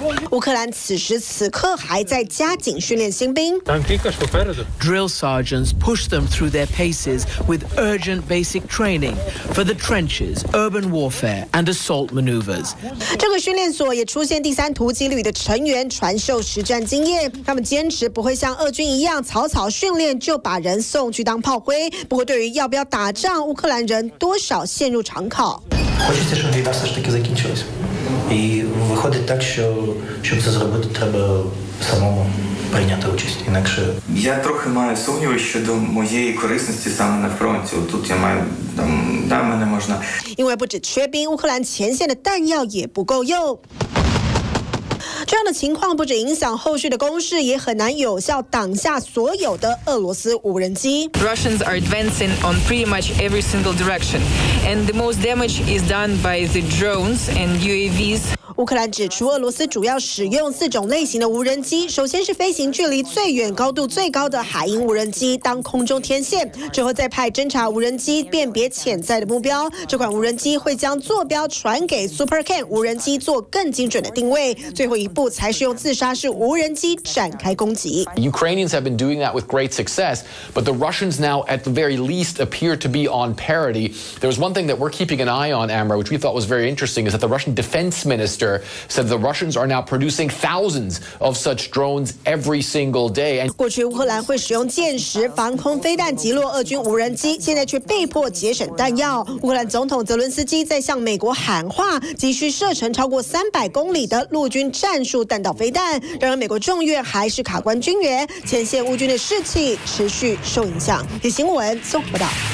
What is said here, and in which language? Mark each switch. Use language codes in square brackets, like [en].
[zh] 乌克兰此时此刻还在加紧训练新兵。 [en] Drill sergeants push them through their paces with urgent basic training for the trenches, urban warfare, and assault maneuvers. [zh] 这个训练所也出现第三突击旅的成员传授实战经验。他们坚持不会像俄军一样草草训练就把人送去当炮灰。不过，对于要不要打仗，乌克兰人多少陷入常考。 [uk] Хочеться, щоб війна все ж таки закінчилась. І виходить так, що щоб це зробити, треба самому прийняти участь. Інакше я трохи маю сумніви щодо моєї корисності саме на фронті. Тут я маю там, да, мене можна. [zh] 因为不止缺兵，乌克兰前线的弹药也不够用。这样的情况不止影响后续的攻势，也很难有效挡下所有的俄罗斯无人机。 [en] Russians are advancing on pretty much every single direction, and the most damage is done by the drones and UAVs. [zh] 乌克兰指出，俄罗斯主要使用四种类型的无人机，首先是飞行距离最远、高度最高的海鹰无人机当空中天线，之后再派侦察无人机辨别潜在的目标。这款无人机会将坐标传给 Supercan 无人机做更精准的定位，最后一步才是用自杀式无人机展开攻击。 [en] Ukrainians have been doing that with great success, but the Russians now at the very least appear to be on parity. There was one thing that we're keeping an eye on, Amra, which we thought was very interesting, is that the Russian Defense Minister said the Russians are now producing thousands of such drones every single day. [zh] 过去乌克兰会使用箭矢、防空飞弹击落俄军无人机，现在却被迫节省弹药。乌克兰总统泽伦斯基在向美国喊话，急需射程超过300公里的陆军战术弹道飞弹。然而，美国众院还是卡关军援，前线乌军的士气持续受影响。以新闻综合报道。